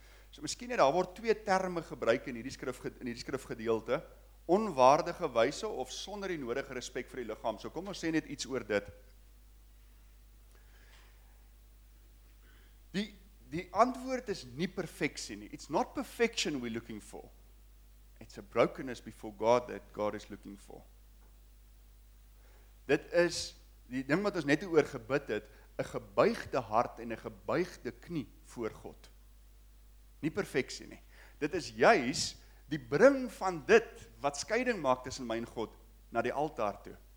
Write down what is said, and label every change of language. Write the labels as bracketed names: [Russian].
[Afrikaans] So miskien daar word twee terme gebruik in hierdie skrifgedeelte, onwaardige wyse of sonder die nodige respek vir die liggaam. So kom ons sê net iets oor dit. Die antwoord is nie perfeksie nie. [English] It's not perfection we're looking for. It's a brokenness before God that God is looking for. [Afrikaans] Dit is die ding wat ons net oor gebid het, 'n gebuigde hart en 'n gebuigde knie voor God. Nie perfeksie nie. Dit is juis die bring van dit wat skeiding maak tussen my en God na die altaar toe.